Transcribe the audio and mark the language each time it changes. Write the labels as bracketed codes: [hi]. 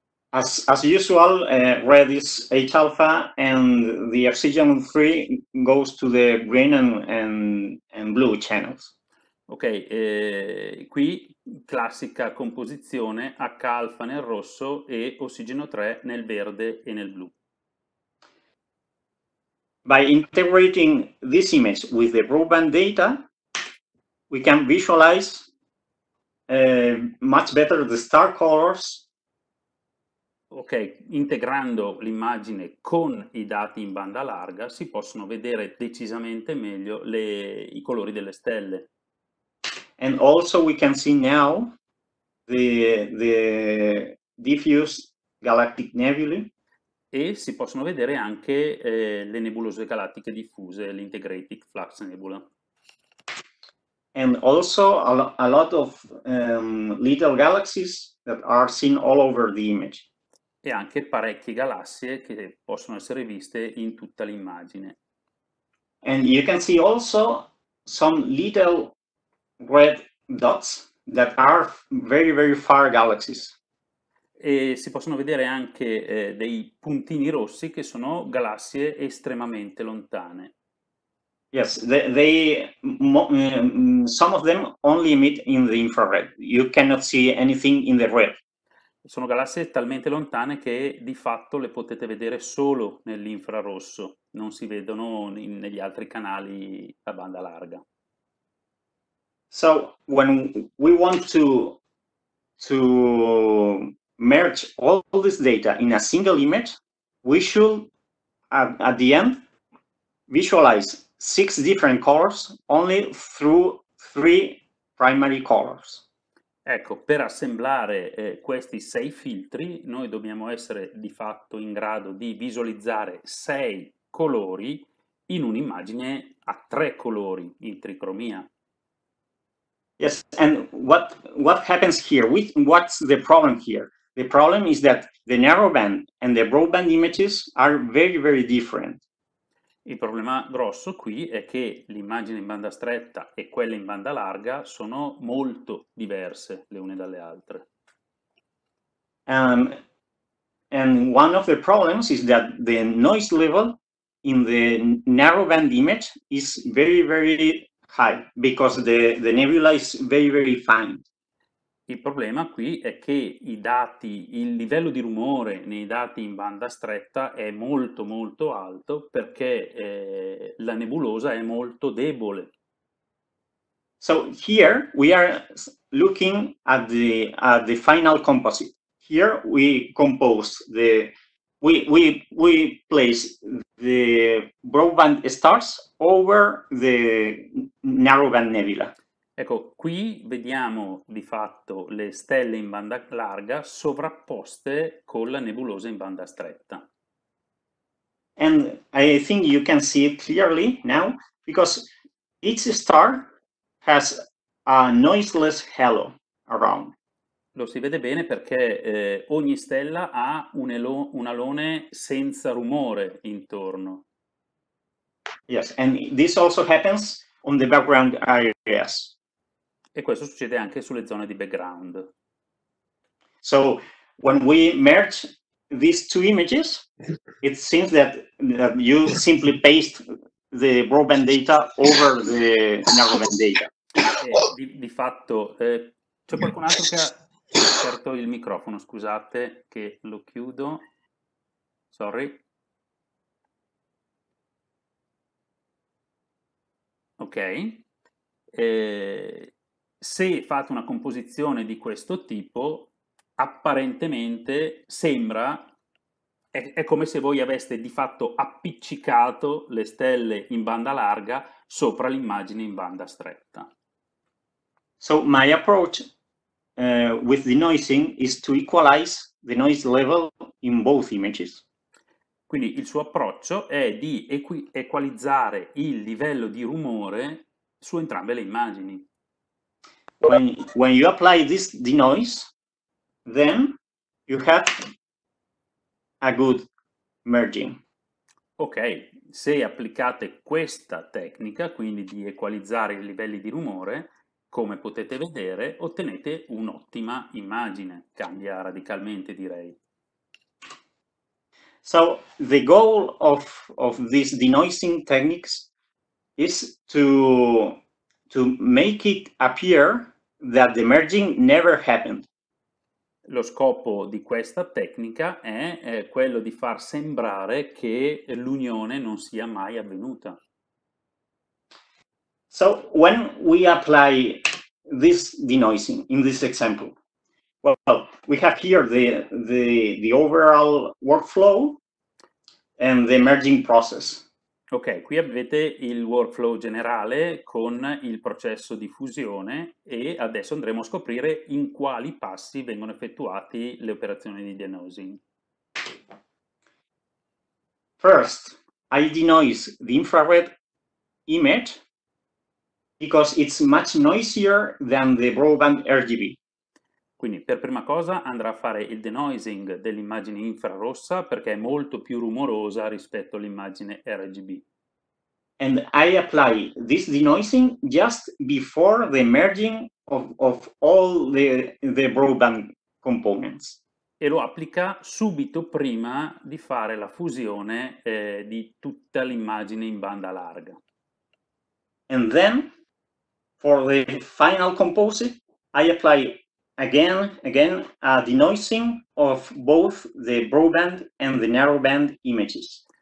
[en] As usual, red is H alpha, and the oxygen 3 goes to the green and blue channels. [it] Ok, qui classica composizione H alfa nel rosso e ossigeno 3 nel verde e nel blu. [en] By integrating this image with the broadband data, we can visualize much better the star colors. [it] Ok, integrando l'immagine con i dati in banda larga si possono vedere decisamente meglio i colori delle stelle. [en] And also we can see now the diffuse galactic nebulae. [it] E si possono vedere anche le nebulose galattiche diffuse, l'integrated flux nebula. [en] And also a lot of little galaxies that are seen all over the image. [it] E anche parecchie galassie che possono essere viste in tutta l'immagine. [en] And you can see also some little red dots that are very, very far galaxies. [it] E si possono vedere anche dei puntini rossi che sono galassie estremamente lontane. [en] Yes, some of them only emit in the infrared. You cannot see anything in the red. [it] Sono galassie talmente lontane che di fatto le potete vedere solo nell'infrarosso, non si vedono negli altri canali a banda larga. [en] So when we want to merge all this data in a single image, we should at the end visualize six different colors only through three primary colors. [it] Ecco, per assemblare questi sei filtri, noi dobbiamo essere di fatto in grado di visualizzare sei colori in un'immagine a tre colori in tricromia. [en] Yes, and what happens here? What's the problem here? The problem is that the narrowband and the broadband images are very, very different. [it] Il problema grosso qui è che l'immagine in banda stretta e quella in banda larga sono molto diverse le une dalle altre. [en] And one of the problems is that the noise level in the narrowband image is very, very high because the nebula is very, very fine. [it] Il problema qui è che il livello di rumore nei dati in banda stretta è molto molto alto perché la nebulosa è molto debole. [en] So here we are looking at the final composite. Here we compose we place the broadband stars over the narrowband nebula. [it] Ecco, qui vediamo di fatto le stelle in banda larga sovrapposte con la nebulosa in banda stretta. [en] And I think you can see it clearly now because each star has a noiseless halo around. [it] Lo si vede bene perché ogni stella ha un alone senza rumore intorno. [en] Yes, and this also happens on the background areas. [it] E questo succede anche sulle zone di background. [en] So when we merge these two images, it seems that you simply paste the broadband data over the narrowband data. [it] Di fatto, c'è qualcun altro che ha aperto il microfono, scusate che lo chiudo. [en] Sorry. [it] Ok. Se fate una composizione di questo tipo, apparentemente sembra, è come se voi aveste di fatto appiccicato le stelle in banda larga sopra l'immagine in banda stretta. [en] So my approach with denoising is to equalize the noise level in both images. [it] Quindi il suo approccio è di equalizzare il livello di rumore su entrambe le immagini. [en] When you apply this denoise, then you have a good merging. [it] Ok, se applicate questa tecnica, quindi di equalizzare i livelli di rumore, come potete vedere, ottenete un'ottima immagine. Cambia radicalmente, direi. [en] So the goal of these denoising techniques is to make it appear that the merging never happened. [it] Lo scopo di questa tecnica è quello di far sembrare che l'unione non sia mai avvenuta. [en] So when we apply this denoising in this example, well, we have here the overall workflow and the merging process. [it] Ok, qui avete il workflow generale con il processo di fusione e adesso andremo a scoprire in quali passi vengono effettuati le operazioni di denoising. [en] First, I denoise the infrared image because it's much noisier than the broadband RGB. [it] Quindi per prima cosa andrà a fare il denoising dell'immagine infrarossa perché è molto più rumorosa rispetto all'immagine RGB. [en] And I apply this denoising just before the merging of all the broadband components. [it] E lo applica subito prima di fare la fusione di tutta l'immagine in banda larga. [en] And then for the final composite I apply again a denoising of both the broadband and the narrowband images.